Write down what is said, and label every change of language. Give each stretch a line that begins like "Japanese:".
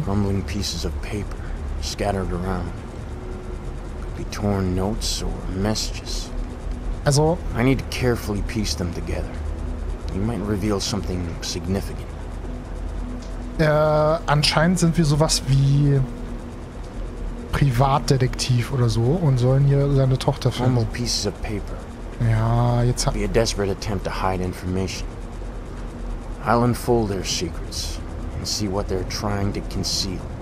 English: Crumbling pieces of paper scattered around. Could be torn notes or messages.
German: Also,
English: I need to carefully piece them together. You might reveal something significant.
German: Anscheinend sind wir sowas wie Privatdetektiv oder so und sollen hier seine Tochter finden.
English: Crumbled pieces of paper.
German: Ja, jetzt
English: be a desperate attempt to hide information. I'll unfold their secrets. And see what they're trying to conceal.